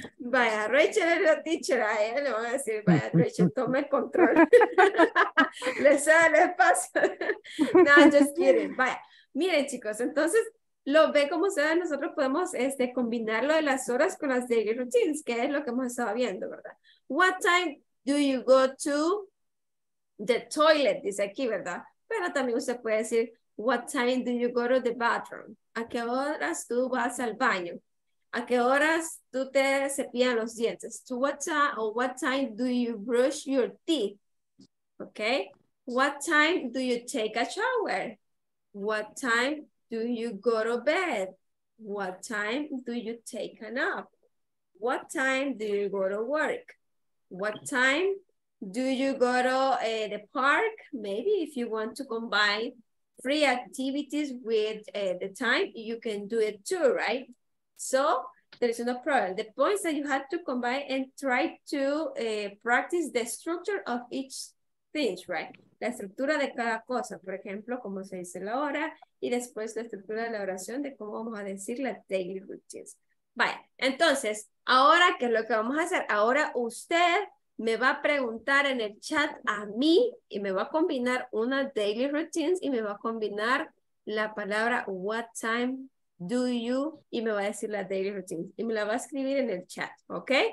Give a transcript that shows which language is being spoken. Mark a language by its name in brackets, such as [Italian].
[Spanish] Vaya, Rachel es la teacher, a ella le van a decir, vaya, Rachel, tome el control. Les da el espacio. No, [English] just kidding. [Spanish] Vaya, miren, chicos, entonces. Lo ve como sea, nosotros podemos combinar lo de las horas con las daily routines, que es lo que hemos estado viendo, ¿verdad? [English] What time do you go to the toilet? [Spanish] Dice aquí, ¿verdad? Pero también usted puede decir, [English] what time do you go to the bathroom? [Spanish] ¿A qué horas tú vas al baño? ¿A qué horas tú te cepillas los dientes? [English] To what time or what time do you brush your teeth? Okay. What time do you take a shower? What time do you go to bed? What time do you take a nap? What time do you go to work? What time do you go to the park? Maybe if you want to combine free activities with the time, you can do it too, right? So there's no problem. The points that you have to combine and try to practice the structure of each thing, right? [Spanish] La estructura de cada cosa, por ejemplo, cómo se dice la hora, y después la estructura de la oración de cómo vamos a decir la daily routines. Vaya, entonces, ahora, ¿qué es lo que vamos a hacer? Ahora usted me va a preguntar en el chat a mí y me va a combinar una daily routines y me va a combinar la palabra [English] what time do you [Spanish] y me va a decir la daily routines y me la va a escribir en el chat, ¿ok?